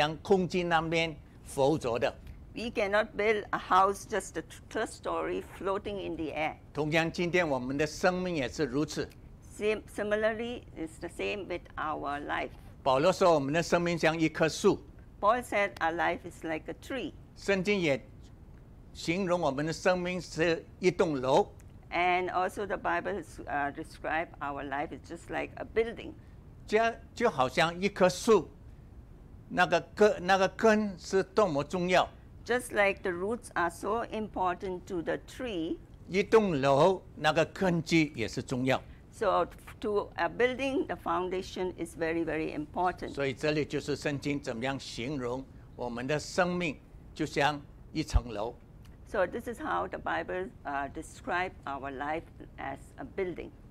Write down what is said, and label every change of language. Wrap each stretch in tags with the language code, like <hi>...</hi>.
<zh>我们不可以盖第三层楼在好像空气那边浮着的。</zh> <en>We cannot build a house just a third story floating in the air.</en> <zh>同样，今天我们的生命也是如此。</zh> <en>Similarly, it's the same with our life.</en> <zh>保罗说，我们的生命像一棵树。</zh> <en>Paul said, "Our life is like a tree."</en> <zh>圣经也形容我们的生命是一栋楼。</zh> <en>And also, the Bible has described our life is just like a building.</en> <zh>就好像一棵树，那个根是多么重要。</zh> <en>Just like the roots are so important to the tree.</en> <zh>一栋楼，那个根基也是重要。</zh> <en>So to a building, the foundation is very, very important.</en> <zh>所以这里就是圣经怎么样形容我们的生命，就像一层楼。</zh> <en>So this is how the Bible describes our life as a building.</en>